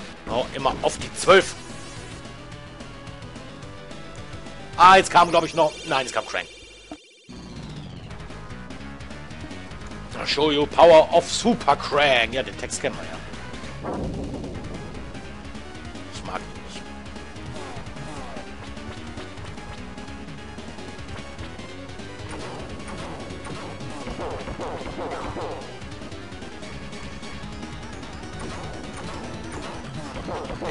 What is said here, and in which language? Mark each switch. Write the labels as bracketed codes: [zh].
[de] Oh, immer auf die 12. Ah, jetzt kam, glaube ich, noch... Nein, es kam Crank. [en] I'll show you power of Super Crank. [de] Ja, den Text kennen wir ja. Ich mag ihn nicht.